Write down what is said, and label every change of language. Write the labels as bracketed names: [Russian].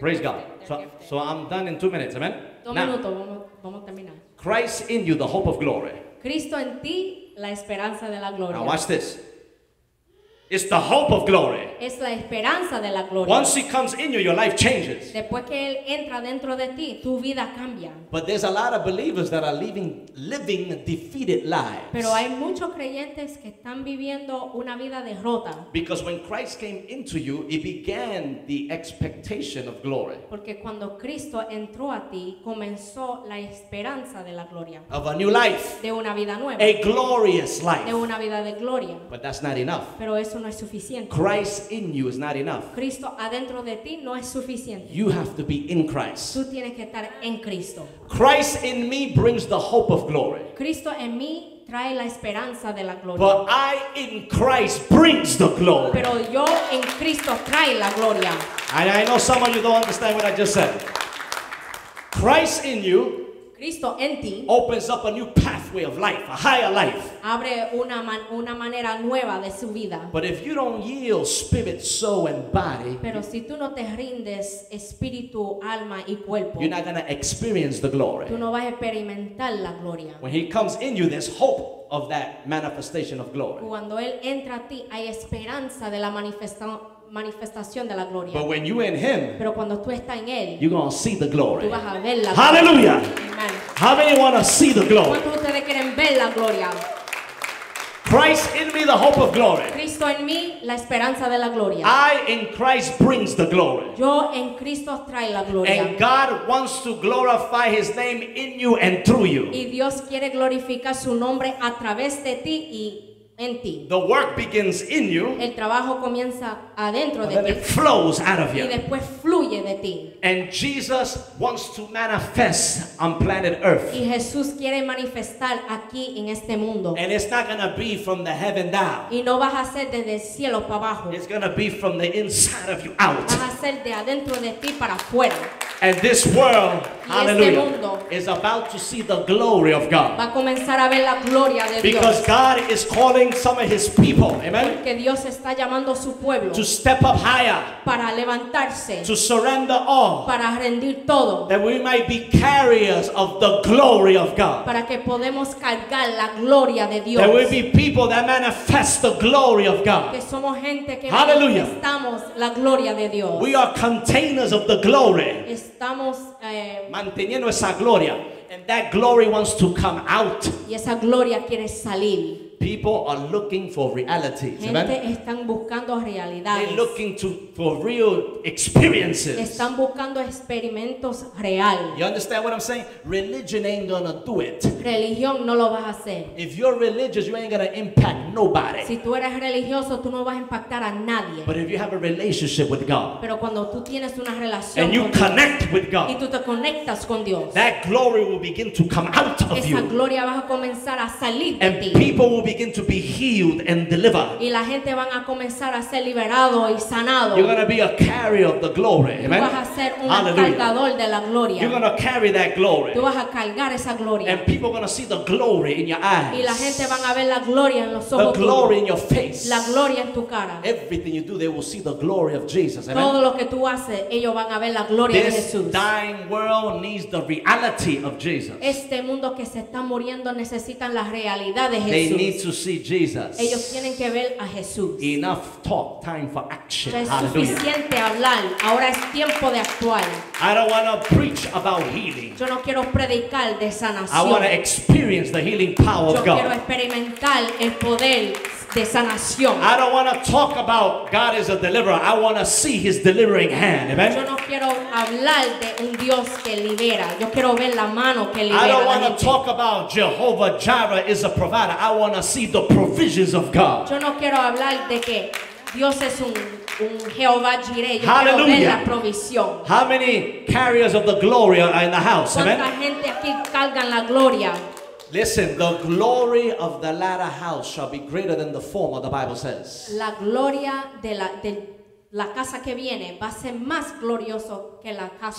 [English] praise gifted. God. So I'm done in 2 minutes. Amen? [Spanish] Minutos. Vamos a terminar. [English] Christ in you, the hope of glory. [Spanish] Cristo en ti, la esperanza de la gloria. [English] Now watch this. It's the hope of glory. [Spanish] Es la esperanza de la gloria. [English] Once he comes in you, your life changes. [Spanish] Después que él entra dentro de ti, tu vida cambia. [English] But there's a lot of believers that are living defeated lives. [Spanish] Pero hay muchos creyentes que están viviendo una vida derrota. [English] Because when Christ came into you, he began the expectation of glory. [Spanish] Porque cuando Cristo entró a ti, comenzó la esperanza de la gloria. [English] Of a new life. [Spanish] De una vida nueva. [English] A glorious life. [Spanish] De una vida de gloria. [English] But that's not enough. [Spanish] Pero eso no es suficiente. [English] Christ in you is not enough. [Spanish] Cristo adentro de ti no es suficiente. [English] You have to be in Christ. [Spanish] Tú tienes que estar en Cristo. [English] Christ in me brings the hope of glory. [Spanish] Cristo en mí trae la esperanza de la gloria. [English] But I in Christ brings the glory. [Spanish] Pero yo en Cristo trae la gloria. [English] And I know some of you don't understand what I just said. Christ in you. [Spanish] Cristo en ti [English] opens up a new pathway of life, a higher life. [Spanish] Abre una manera nueva de su vida. [English] But if you don't yield spirit, soul, and body, [Spanish] pero si tú no te rindes espíritu, alma, y cuerpo, [English] you're not going to experience the glory. [Spanish] Tú no vas a experimentar la gloria. [English] When he comes in you, there's hope of that manifestation of glory. [Spanish] Cuando él entra a ti, hay esperanza de la manifestación de la gloria. [English] But when you in him, [Spanish] pero cuando tú estás en él, [English] you're going to see the glory. [Spanish] Tú vas a ver la [English] hallelujah [Spanish] gloria. [English] How many want to see the glory? [Spanish] ¿Cuántos ustedes quieren ver la gloria? [English] Christ in me, the hope of glory. [Spanish] Cristo en mí, la esperanza de la gloria. [English] I in Christ brings the glory. [Spanish] Yo en Cristo trae la gloria. [English] And God wants to glorify his name in you and through you. [Spanish] Y Dios quiere glorificar su nombre a través de ti y en ti. [English] The work begins in you. [Spanish] El trabajo comienza adentro [English] and [Spanish] de ti. [English] Then it flows out of you. [Spanish] Y después fluye de ti. [English] And Jesus wants to manifest on planet Earth. [Spanish] Y Jesús quiere manifestar aquí en este mundo. [English] And it's not gonna be from the heaven down. [Spanish] Y no vas a ser desde el cielo para abajo. [English] It's gonna be from the inside of you out. [Spanish] Vas a ser de adentro de ti para afuera. [English] And this world, hallelujah, [Spanish] este mundo, [English] is about to see the glory of God. [Spanish] Va a comenzar a ver la gloria de Dios. [English] Because God is calling some of his people, amen, [Spanish] que Dios está llamando su pueblo, [English] to step up higher, [Spanish] para levantarse, [English] to surrender all, [Spanish] para rendir todo, [English] that we might be carriers of the glory of God. [Spanish] Para que podemos cargar la gloria de Dios. [English] That we be people that manifest the glory of God. [Spanish] Que somos gente que [English] hallelujah [Spanish] manifestamos la gloria de Dios. [English] We are containers of the glory. [Spanish] Estamos manteniendo esa gloria, [English] and that glory wants to come out. [Spanish] Y esa gloria quiere salir. [English] People are looking for realities. [Spanish] Gente están buscando realidades. [English] They're looking for real experiences. [Spanish] Están buscando experimentos real. [English] You understand what I'm saying? Religion ain't gonna do it. [Spanish] Religión no lo vas a hacer. [English] If you're religious, you ain't gonna impact nobody. [Spanish] Si tú eres religioso, tú no vas a impactar a nadie. [English] But if you have a relationship with God, [Spanish] pero cuando tú tienes una relación, [English] and you [Spanish] con [English] connect [Spanish] Dios, [English] with God, [Spanish] y tú te conectas con Dios, [English] that glory will begin to come out of [Spanish] esa [English] you. [Spanish] Esa gloria va a comenzar a salir [English] and [Spanish] de ti. [English] And people will begin to be healed and delivered. [Spanish] Y la gente van a comenzar a ser liberado y sanado. [English] You're going to be a carrier of the glory. Amen. [Spanish] Tú vas a ser un cargador de la gloria. [English] You're going to carry that glory. [Spanish] Tú vas a cargar esa gloria. [English] And people are going to see the glory in your eyes. [Spanish] Y la gente van a ver la gloria en los ojos. [English] The glory in your face. [Spanish] La gloria en tu cara. [English] Everything you do, they will see the glory of Jesus. Amen. [Spanish] Todo lo que tú haces, ellos van a ver la gloria [English] this [Spanish] de Jesús. [English] This dying world needs the reality of Jesus. [Spanish] Este mundo que se está muriendo necesitan la realidad de Jesús. [English] They need to see Jesus. [Spanish] Ellos tienen que ver a Jesús. [English] Enough talk, time for action. [Spanish] Es suficiente hablar. Ahora es tiempo de actuar. [English] I don't want to preach about healing. [Spanish] Yo no quiero predicar de sanación. [English] I want to experience the healing power of God. [Spanish] Yo quiero experimentar el poder de sanación. [English] I don't want to talk about God is a deliverer. I want to see his delivering hand. Amen. [Spanish] Yo no quiero hablar de un Dios que libera. Yo quiero ver la mano que libera. [English] I don't want to talk about Jehovah Jireh is a provider. I want to see the provisions of God. [Spanish] Yo no quiero hablar de que Dios es un Jehová Jireh. Yo quiero ver la provisión. [English] How many carriers of the glory are in the house? [Spanish] ¿Cuánta gente aquí cargan la gloria? [English] Listen, the glory of the latter house shall be greater than the former, the Bible says. [Spanish] La gloria de la casa que viene va a ser más glorioso que la casa